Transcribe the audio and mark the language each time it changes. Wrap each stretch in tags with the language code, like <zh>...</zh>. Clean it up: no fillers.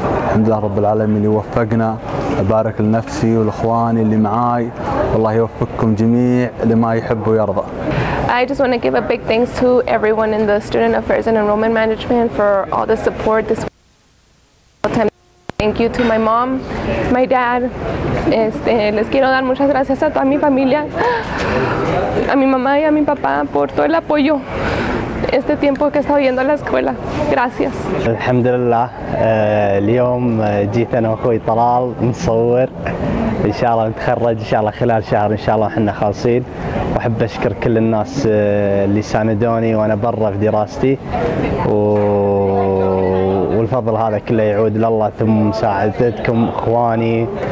<ar>الحمد لله رب العالمين اللي وفقنا. أبارك لنفسي والأخواني اللي معاي. والله يوفقكم جميع لما يحب ويرضى.</ar> <en>I just want to give a big thanks to everyone in the Student Affairs and Enrollment Management for all the support this time. Thank you to my mom, my dad.</en> <es>Les quiero dar muchas gracias a toda mi familia, a mi mamá y a mi papá por todo el apoyo. Este tiempo que he estado yendo a la escuela. Gracias.</es> <ar>الحمد لله اليوم جيت انا واخوي طلال نصور ان شاء الله نتخرج ان شاء الله خلال شهر ان شاء الله احنا خالصين واحب اشكر كل الناس اللي ساندوني وانا برا في دراستي والفضل هذا كله يعود لله ثم مساعدتكم اخواني</ar>